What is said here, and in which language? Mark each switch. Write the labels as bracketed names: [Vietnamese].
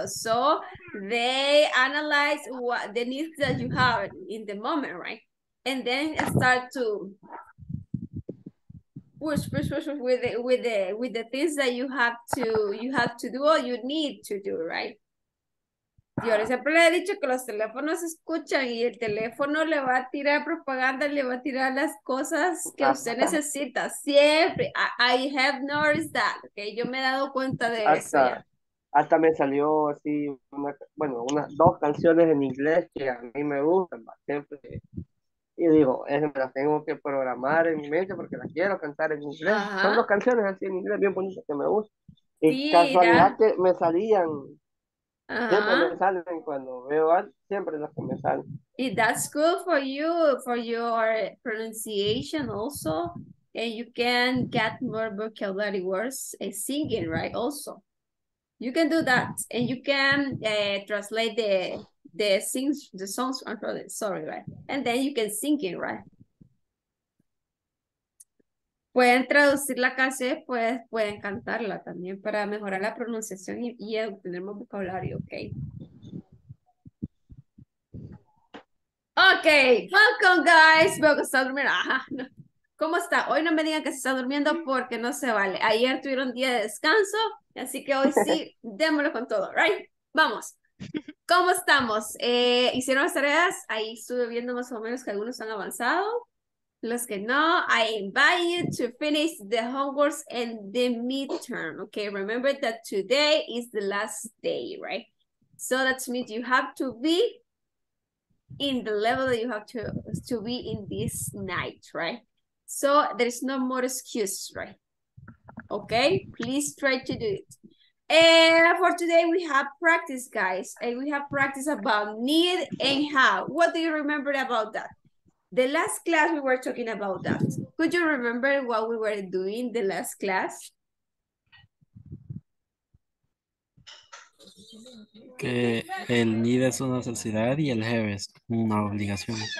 [English] So they analyze what the needs that you have in the moment, right? And then start to push with the things that you have to do or you need to do, right? [Spanish] Yo siempre le he dicho que los teléfonos escuchan y el teléfono le va a tirar propaganda, le va a tirar las cosas que usted necesita. Siempre. [English] I have noticed that. [Spanish] Okay? Yo me he dado cuenta de eso ya. Hasta me salió así, bueno, unas dos canciones en inglés que a mí me gustan siempre. Y digo, esas me las tengo que programar en mi mente porque las quiero cantar en inglés. Son dos Ajá. canciones así en inglés bien bonitas que me gustan. Y Sí, casualidad da. que me salían, siempre me Ajá. salen cuando veo algo, siempre las que me salen. [English] Y that's good for your pronunciation also, and you can get more vocabulary words singing, right? Also, you can do that, and you can translate the things, the songs, sorry, right? And then you can sing it, right? [Spanish] Pueden traducir la canción, pueden cantarla también para mejorar la pronunciación y obtener más vocabulario, ¿ok? [English] Okay, welcome guys. [Spanish] Veo que está durmiendo. Ajá, no. ¿Cómo está? Hoy no me digan que se está durmiendo porque no se vale. Ayer tuvieron día de descanso, así que hoy sí, démoslo con todo, right? Vamos. ¿Cómo estamos? ¿Hicieron las tareas? Ahí estuve viendo más o menos que algunos han avanzado. Los que no, [English] I invite you to finish the homeworks and the midterm. Okay, remember that today is the last day, right? So that means you have to be in the level that you have to be in this night, right? So there is no more excuse, right? Okay, please try to do it. And for today, we have practice, guys. And we have practice about need and how. What do you remember about that? The last class, we were talking about that. Could you remember what we were doing the last class? [Spanish] Que el need es una necesidad y el have es una obligación.